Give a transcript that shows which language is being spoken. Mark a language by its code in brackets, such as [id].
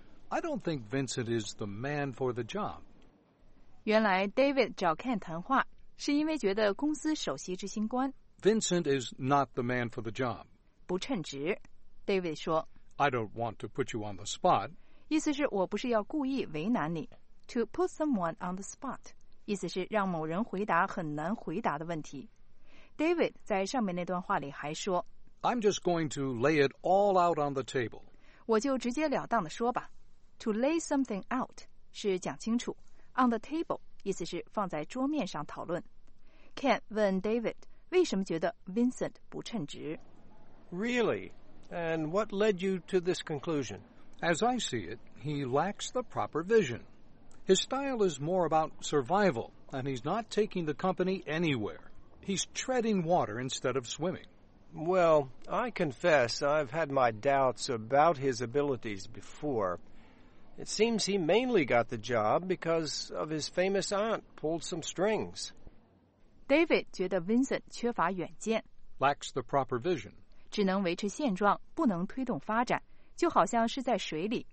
[en] I don't think Vincent is the man for the job. [zh] 原来 David 找 Ken 谈话是因为觉得公司首席执行官 [en] Vincent is not the man for the job. [zh] 不称职 David 说 [en] I don't want to put you on the spot. [zh] 意思是我不是要故意为难你 [en] To put someone on the spot. [zh] 意思是让某人回答很难回答的问题。 David 在上面那段话里还说 [en] I'm just going to lay it all out on the table. [zh] 我就直截了当地说吧。 [en] To lay something out [zh] 是讲清楚。 On the table 意思是放在桌面上讨论。Ken 问 David 为什么觉得 Vincent 不称职。 [en] Really? And what led you to this conclusion? As I see it, he lacks the proper vision. His style is more about survival, and he's not taking the company anywhere. He's treading water instead of swimming. Well, I confess I've had my doubts about his abilities before. It seems he mainly got the job because of his famous aunt pulled some strings. [zh] David 觉得 Vincent 缺乏远见 [en] Lacks the proper vision. [zh] 只能维持现状不能推动发展就好像是在水里